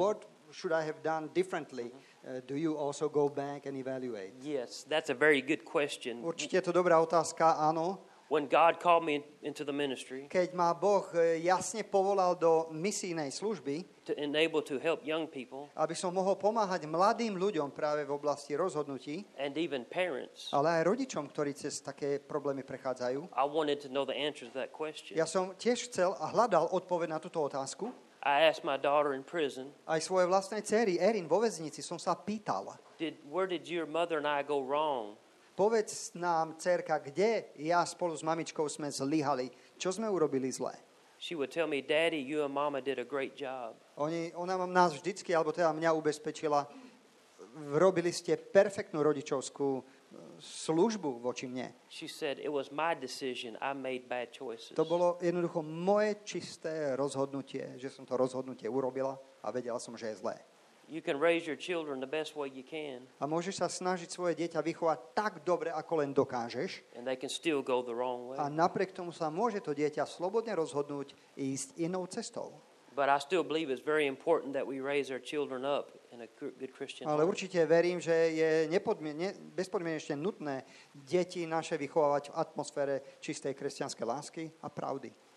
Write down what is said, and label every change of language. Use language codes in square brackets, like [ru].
[en] What should I have done differently? Mm-hmm. Do you also go back and evaluate? Yes, that's a very good question. [sk] Určite je to dobrá otázka, áno. [en] When God called me into the ministry, [sk] keď ma Boh jasne povolal do misijnej služby, [en] to enable to help young people, [sk] aby som mohol pomáhať mladým ľuďom práve v oblasti rozhodnutí, [en] and even parents, [sk] ale aj rodičom, ktorí cez také problémy prechádzajú, [en] I wanted to know the answer to that question. [sk] Ja som tiež chcel a hľadal odpoveď na túto otázku. [en] I asked my daughter in prison, [sk] aj svojej vlastnej dcéry Erin vo väznici som sa pýtal, [en] where did your mother and I go wrong? [sk] Povedz nám, dcerka, kde ja spolu s mamičkou sme zlyhali? Čo sme urobili zle? [en] She would tell me, Daddy, you and mama did a great job. [sk] Ona nás vždycky, alebo teda mňa ubezpečila, robili ste perfektnú rodičovskú službu voči mne. [en] She said, it was my decision, I made bad choices. [sk] To bolo jednoducho moje čisté rozhodnutie, že som to rozhodnutie urobila a vedela som, že je zlé. [en] You can raise your children the best way you can. [sk] A môžeš sa snažiť svoje dieťa vychovať tak dobre, ako len dokážeš. [en] And they can still go the wrong way. [sk] A napriek tomu sa môže to dieťa slobodne rozhodnúť ísť inou cestou. [en] But I still believe it's very important that we raise our children up in a good Christian [sk] life. Ale určite verím, že je bezpodmienečne nutné deti naše vychovávať v atmosfére čistej kresťanskej lásky a pravdy.